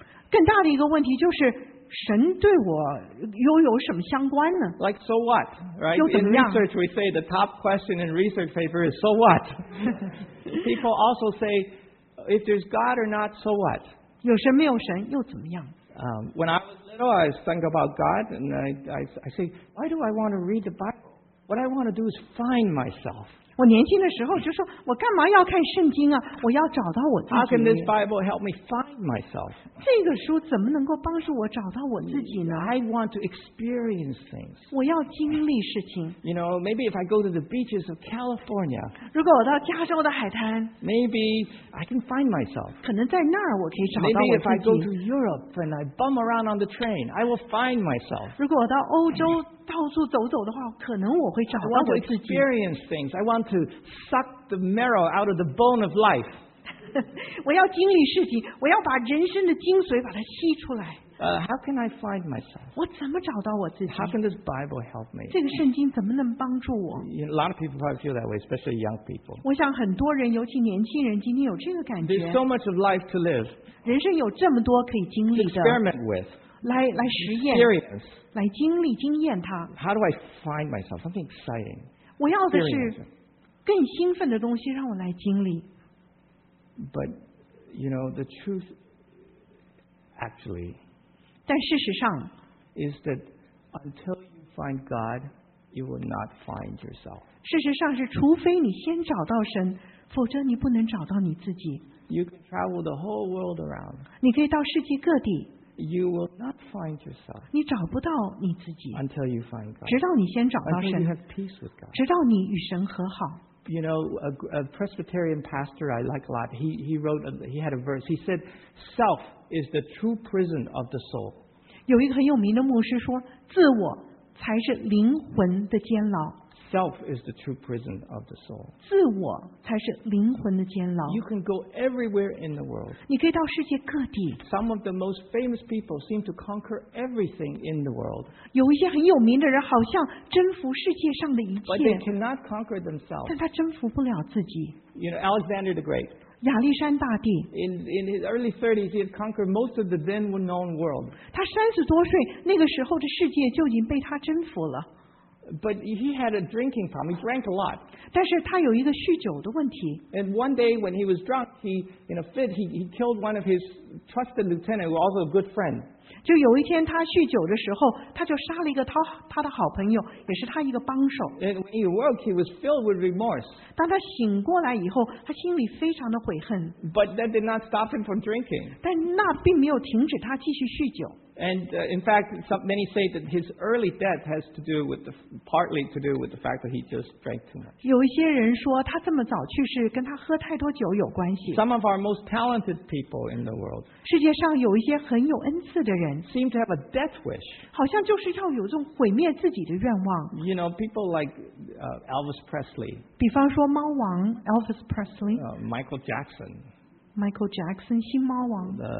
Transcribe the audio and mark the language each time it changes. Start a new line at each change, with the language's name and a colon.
Chinese: 更大的一个问题就是神对我又有什么相关呢？
English: Like so what, right?
Chinese: 又怎么样？
English: In research, we say the top question in research paper is so what. People also say, if there's God or not, so what.
Chinese: 有神没有神又怎么样？
English: When I was little, I was thinking about God, and I say, why do I want to read the Bible? What I want to do is find myself.
Chinese: 我年轻的时候就说，我干嘛要看圣经啊？我要找到我自己。
English: How can this Bible help me find myself?
Chinese: 这个书怎么能够帮助我找到我自己呢？
English: I want to experience things.
Chinese: 我要经历事情。
English: You know, maybe if I go to the beaches of California.
Chinese: 如果我到加州的海滩。
English: Maybe I can find myself.
Chinese: 可能在那儿我可以找到我自己。
English: Maybe if I go to Europe and I bum around on the train, I will find myself.
Chinese: 如果我到欧洲。到处走走的话，可能我会找到我自己。
English: I want to experience things. I want to suck the marrow out of the bone of life.
Chinese: 我要经历事情，我要把人生的精髓把它吸出来。
English: How can I find myself?
Chinese: 我怎么找到我自己？
English: How can this Bible help me?
Chinese: 这个圣经怎么能帮助我？
English: A lot of people probably feel that way, especially young people.
Chinese: 我想很多人，尤其年轻人，今天有这个感觉。
English: There's so much of life to live.
Chinese: 人生有这么多可以经历的。
English: Experiment with.
Chinese: 来实验
English: experience.
Chinese: 来经历经验它
English: How do I find myself? Something exciting.
Chinese: 我要的是更兴奋的东西让我来经历
English: But, you know, the truth actually
Chinese: 但事实上
English: is that until you find God, you will not find yourself.
Chinese: 事实上是除非你先找到神否则你不能找到你自己
English: You can travel the whole world around.
Chinese: 你可以到世界各地
English: You will not find yourself.
Chinese: 你找不到你自己
English: Until you find God.
Chinese: 直到你先找到神
English: Until you have peace with God.
Chinese: 直到你与神和好
English: You know, a Presbyterian pastor I like a lot. He had a verse. He said, "Self is the true prison of the soul."
Chinese: 有一个很有名的牧师说，自我才是灵魂的监牢。
English: Self is the true prison of the soul.
Chinese: 自我才是灵魂的监牢。
English: You can go everywhere in the world.
Chinese: 你可以到世界各地。
English: Some of the most famous people seem to conquer everything in the world.
Chinese: 有一些很有名的人好像征服世界上的一切。
English: But they cannot conquer themselves.
Chinese: 但他征服不了自己。
English: You know, Alexander the Great.
Chinese: 亚历山大帝。
English: In his early 30s, he had conquered most of the then known world.
Chinese: 他三十多岁，那个时候的世界就已经被他征服了。
English: But he had a drinking problem. He drank a lot.
Chinese: 但是他有一个酗酒的问题。
English: And one day when he was drunk, he, in a fit, he killed one of his trusted lieutenant, who was also a good friend.
Chinese: 就有一天他酗酒的时候，他就杀了一个他的好朋友，也是他一个帮手。
English: And when he awoke, he was filled with remorse.
Chinese: 当他醒过来以后，他心里非常的悔恨。
English: But that did not stop him from drinking.
Chinese: 但那并没有停止他继续酗酒。
English: And in fact, many say that his early death has to do with the, partly to do with the fact that he just drank too much.
Chinese: 有一些人说他这么早去世跟他喝太多酒有关系。
English: Some of our most talented people in the world.
Chinese: 世界上有一些很有恩赐的人。
English: Seem to have a death wish.
Chinese: 好像就是要有这种毁灭自己的愿望。
English: You know, people like Elvis Presley.
Chinese: 比方说猫王 Elvis Presley.
English: Michael Jackson.
Chinese: Michael Jackson, 新猫王。